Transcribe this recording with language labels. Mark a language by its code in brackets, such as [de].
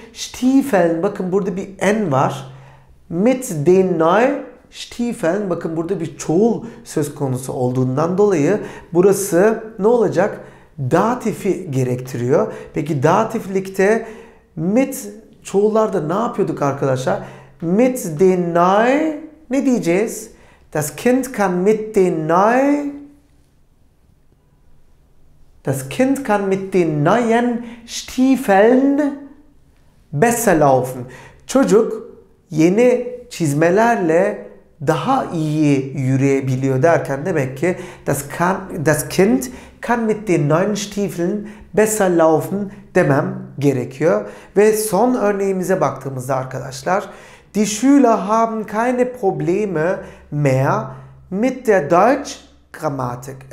[tr] Stiefeln, bakın burada bir n var. [de] Mit den neuen Stiefeln, [tr] bakın burada bir çoğul söz konusu olduğundan dolayı burası ne olacak? Datifi gerektiriyor. Peki datiflikte mit çoğullarda ne yapıyorduk arkadaşlar? [de] Mit den neuen [tr] ne diyeceğiz? [de] Das Kind kann mit den neuen Das Kind kann mit den neuen Stiefeln besser laufen. [tr] Çocuk yeni çizmelerle daha iyi yürüyebiliyor derken demek ki [de] das Kind kann mit den neuen Stiefeln besser laufen [tr] demem gerekiyor. Ve son örneğimize baktığımızda arkadaşlar, [de] die Schüler haben keine Probleme mehr mit der Deutschgrammatik.